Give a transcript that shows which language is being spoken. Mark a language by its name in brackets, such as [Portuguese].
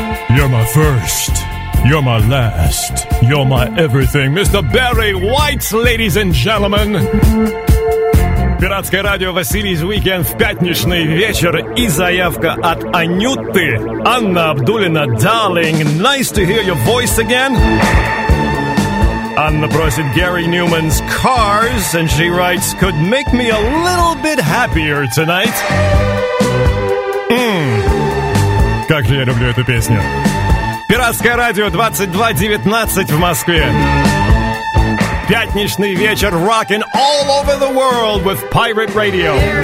[English] You're my first, you're my last, you're my everything. Mr. Barry White, ladies and gentlemen. [Russian] Пиратское радио Василий's Weekend в пятничный вечер. И заявка от Анюты. [English] Анна Абдуллина, darling, nice to hear your voice again. [Russian] Анна просит [English] Gary Newman's Cars, and she writes, could make me a little bit happier tonight. [Russian] Как же я люблю эту песню. Пиратское радио, 22:19 в Москве. Пятничный вечер, [English] rocking all over the world with Pirate Radio.